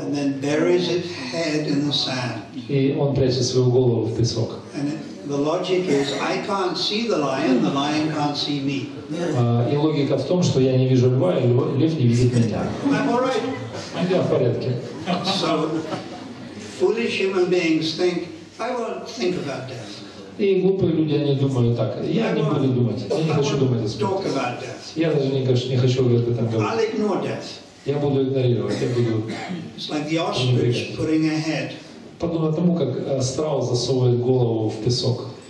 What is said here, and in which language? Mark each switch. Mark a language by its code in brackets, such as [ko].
[en] And then buries its head in the sand. [ru] И он прячет свою голову в песок. [en] The logic is I can't see the lion can't see me. [ru] И логика в том, что я не вижу льва, и лев не видит меня. [en] I'm all right. [ru] Я в порядке. [en] So foolish human beings think I won't think about death. [ru] И глупые люди они думают так. Я не буду думать. Я не хочу думать о смерти. [en] Talk about death. [ru] Я даже не хочу об этом говорить. [en] I'll ignore death. [ru] Я буду игнорировать. [en] It's like the ostrich putting a head. [ru] Подобно тому, как страус засовывает голову в песок.